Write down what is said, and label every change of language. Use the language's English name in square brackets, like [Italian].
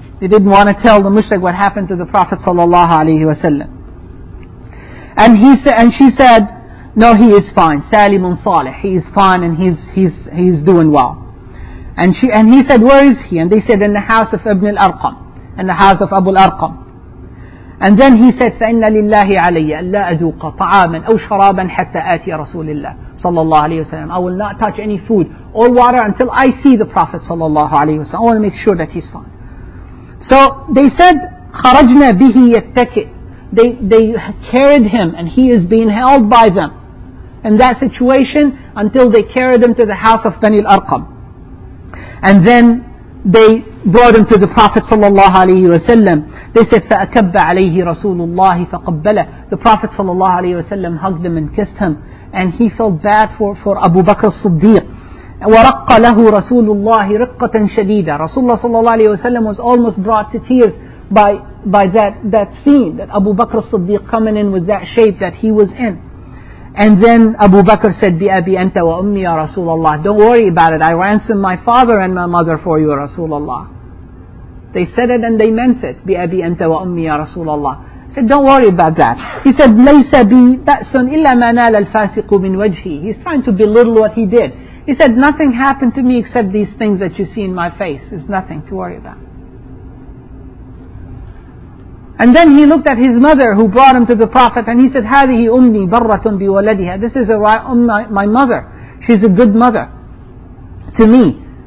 [English] They didn't want to tell the mushrik what happened to the Prophet sallallahu alaihi wasallam. And he said, and she said, no, he is fine. [Arabic] Salimun Salih. [English] He is fine and he's doing well. And he said, where is he? And they said, in the house of Ibn al-Arqam. In the house of Abu al-Arqam. And then he said, [Arabic] فَإِنَّ لِلَّهِ عَلَيَّ أَلَّا أَذُوقَ طَعَامًا أَوْ شَرَابًا حَتَّى آتِيَ رَسُولِ اللَّهِ صَلَّى اللَّهُ عَلَيْهِ وَسَلَّمَ. [English] I will not touch any food or water until I see the Prophet صلى الله عليه وسلم. I want to make sure that he's fine. So they said, [Arabic] خَرَجْنَا بِهِ يَتَّكِئ. [English] They carried him and he is being held by them in that situation until they carried him to the house of Bani al-Arqam. And then they brought him to the Prophet صلى الله عليه وسلم. They said, [Arabic] فَأَكَبَّ عَلَيْهِ رَسُولُ اللَّهِ فَقَبَّلَهُ. [English] The Prophet sallallahu alayhi wa sallam hugged him and kissed him. And he felt bad for Abu Bakr al-Siddiq. [Arabic] وَرَقَّ لَهُ رَسُولُ اللَّهِ رِقَّةً شَدِيدًا. [English] Rasulullah sallallahu alayhi wa sallam was almost brought to tears by that scene, that Abu Bakr al-Siddiq coming in with that shape that he was in. And then Abu Bakr said, [Arabic] بِأَبِي أَنْتَ وَأُمِّي يَا رَسُولَ اللَّهِ. [English] Don't worry about it. I ransomed my father and my mother for you, Rasulullah. They said it and they meant it. [Arabic] بِأَبِي أَنْتَ وَأُمِّي يَا رَسُولَ اللَّهِ. [English] Said, don't worry about that. He said, [Arabic] لَيْسَ بِبَأْسٌ إِلَّا مَا نَالَ الْفَاسِقُ مِنْ وَجْهِ. [English] He's trying to belittle what he did. He said, nothing happened to me except these things that you see in my face. It's nothing to worry about. And then he looked at his mother who brought him to the Prophet and he said, [Arabic] هَذِهِ أُمِّي بَرَّةٌ بِوَلَدِهَا. [English] This is my mother. She's a good mother to me.